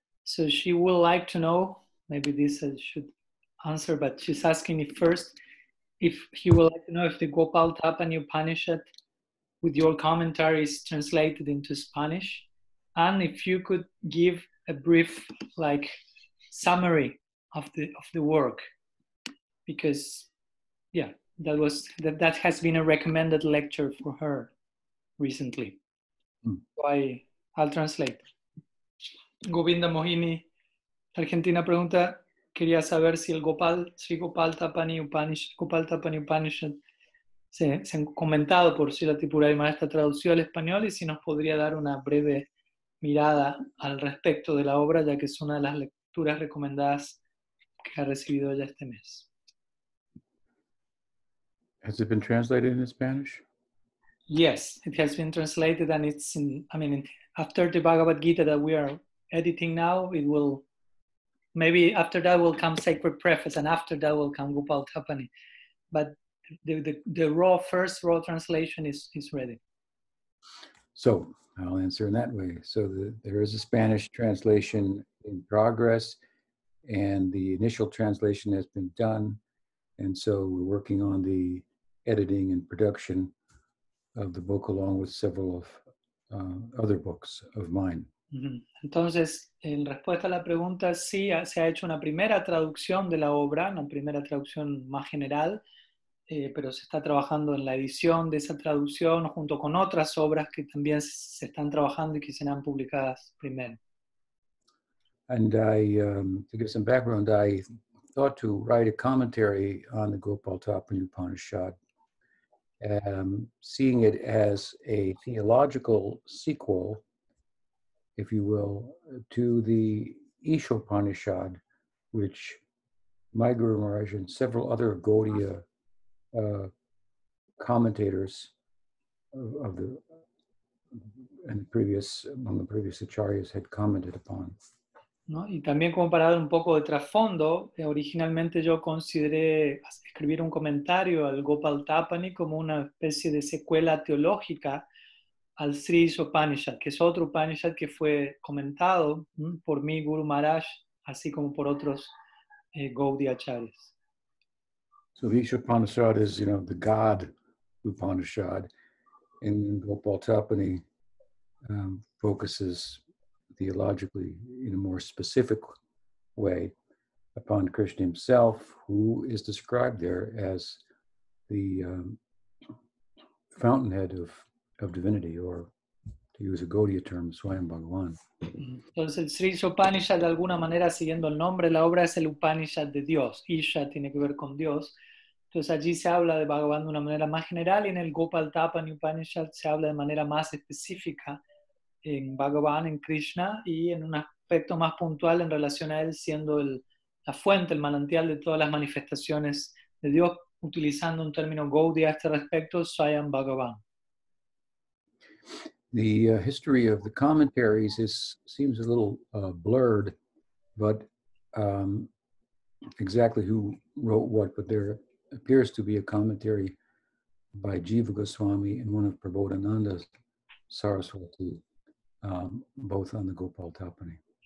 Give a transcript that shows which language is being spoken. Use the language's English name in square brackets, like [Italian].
[English] So she would like to know, maybe this should answer, but she's asking if he would like to know if the Gopal Tapani Upanishad with your commentary is translated into Spanish, and if you could give a brief like summary of the work, because that has been a recommended lecture for her recently. I'll translate. [Spanish] Govinda Mohini, Argentina, pregunta, quería saber si el Gopal Tapani Upanishad se han comentado por si la Tripura y Maestra tradució al español, y si nos podría dar una breve mirada al respecto de la obra, ya que es una de las lecturas recomendadas que ha recibido ya este mes. [English] Has it been translated in Spanish? Yes, it has been translated, and it's in, I mean, after the Bhagavad Gita that we are editing now, it will, maybe after that will come Sacred Preface, and after that will come Gopal Tapani. But the raw, first raw translation is ready. So I'll answer in that way. So there is a Spanish translation in progress, and the initial translation has been done. And so we're working on the editing and production of the book, along with several of other books of mine. [Spanish] Entonces, en respuesta a la pregunta, sí, se ha hecho una primera traducción de la obra, una primera traducción más general, pero se está trabajando en la edición de esa traducción junto con otras obras que también se están trabajando y que serán publicadas primero. [English] And I, to give some background, I thought to write a commentary on the Gopal Tapani Upanishad, seeing it as a theological sequel, if you will, to the Isha Upanishad, which my Guru Maharaj and several other Gaudiya commentators among the previous acharyas had commented upon. [Spanish] ¿No? Y también como para dar un poco de trasfondo, originalmente yo consideré escribir un comentario al Gopal Tapani como una especie de secuela teológica al Sri Isha Upanishad, que es otro Upanishad que fue comentado por mi Guru Maharaj, así como por otros Gaudiya Acharyas. [English] So the Isha Upanishad is, you know, the God Upanishad, and Gopal Tapani focuses theologically in a more specific way upon Krishna himself, who is described there as the fountainhead of divinity, or to use a Gaudiya term, Swayam Bhagavan. [Spanish] Entonces, el Sri Upanishad, de alguna manera, siguiendo el nombre, la obra es el Upanishad de Dios. Isha tiene que ver con Dios. Entonces, allí se habla de Bhagavan de una manera más general, y en el Gopal Tapani Upanishad se habla de manera más específica en Bhagavan, en Krishna, y en un aspecto más puntual en relación a él, siendo la fuente, el manantial de todas las manifestaciones de Dios, utilizando un término Gaudiya a este respecto, Swayam Bhagavan. [English] The history of the commentaries seems a little blurred, but exactly who wrote what, but there appears to be a commentary by Jiva Goswami and one of Prabodhananda's Saraswati, both on the Gopal Tapani.